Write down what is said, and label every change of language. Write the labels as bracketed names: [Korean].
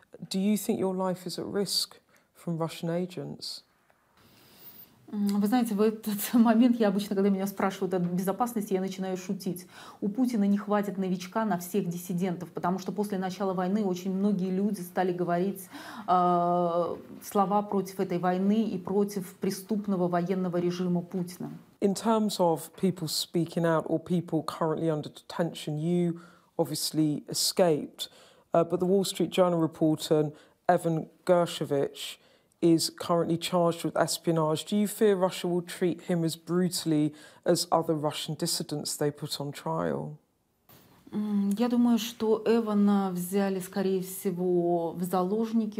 [English] Do you think your life is at risk from Russian agents? [Russian] Вы знаете, в этот момент я обычно, когда меня спрашивают о безопасности, я начинаю шутить. У Путина не хватит новичка на всех диссидентов, потому что после начала войны очень многие люди стали говорить слова против этой войны и против преступного военного режима Путина. [English] In terms of people speaking out or people currently under detention, you obviously escaped. But the Wall Street Journal reporter Evan Gershovich is currently charged with espionage. Do you fear Russia will treat him as brutally as other Russian dissidents they put on trial? [Russian] Я думаю, что Эвана взяли, скорее всего, в заложники.